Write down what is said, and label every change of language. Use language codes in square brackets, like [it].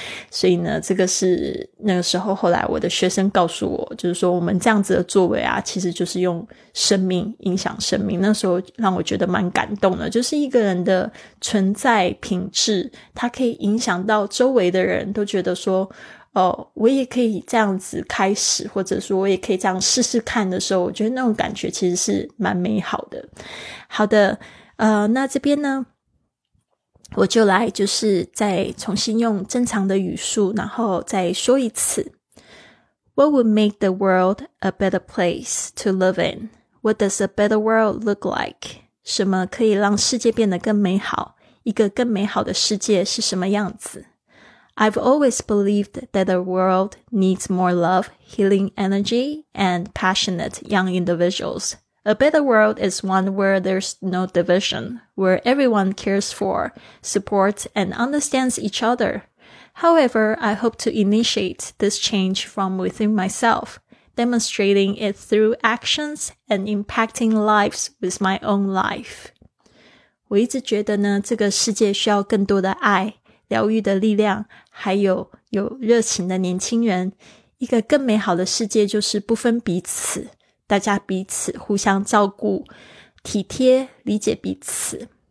[zh] 所以呢，这个是那个时候后来我的学生告诉我，就是说我们这样子的作为啊，其实就是用生命影响生命。那时候让我觉得蛮感动的，就是一个人的存在品质，他可以影响到周围的人，都觉得说哦，我也可以这样子开始，或者说我也可以这样试试看的时候，我觉得那种感觉其实是蛮美好的。好的，那这边呢，我就来就是再重新用正常的语速，然后再说一次。 [en] What would make the world a better place to live in? What does a better world look like? [zh] 什么可以让世界变得更美好？一个更美好的世界是什么样子？ [en] I've always believed that the world needs more love, healing energy, and passionate young individuals. A better world is one where there's no division, where everyone cares for, supports, and understands each other. However, I hope to initiate this change from within myself, demonstrating it through actions and impacting lives with my own life. [zh] 我一直觉得呢，这个世界需要更多的爱。疗愈的力量，还有有热情的年轻人。一个更美好的世界就是不分彼此，大家彼此互相照顾，体贴，理解彼此。